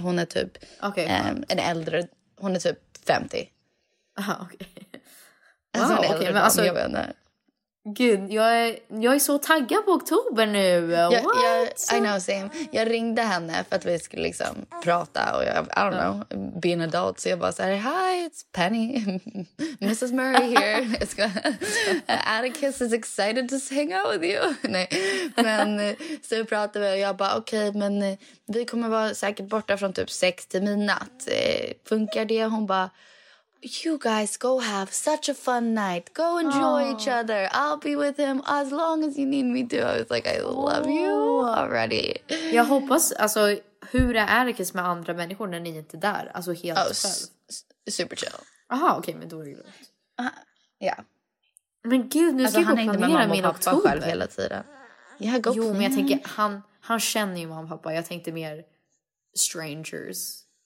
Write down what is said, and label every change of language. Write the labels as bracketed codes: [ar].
[sv] Hon är typ en äldre. Hon är typ 50. Aha, okej. Okay. Wow, alltså, okay, men alltså, gud, jag är så taggad på oktober nu. [en] I know, same. [sv] Jag ringde henne för att vi skulle liksom prata. Och jag, [en] I don't know, be an adult. [sv] Så jag bara så här, [en] hi, it's Penny. Mrs. Murray here. Atticus is excited to hang out with you. [sv] Nej, men så pratade vi och jag bara, okej, men vi kommer vara säkert borta från typ 6 till midnatt. Funkar det? Hon bara, [en] you guys go have such a fun night. Go enjoy each other. I'll be with him as long as you need me to. I was like, I love you already. [sv] Jag hoppas, alltså, hur är Atticus med andra människor när ni inte är där? Alltså helt själv. [en] Super chill. [sv] Aha, okej, men då är det lugnt. Ja. Men gud, nu ska jag planera min oktober själv hela tiden. Jo, men jag tänker, han känner ju mamma och pappa. Jag tänkte mer strangers.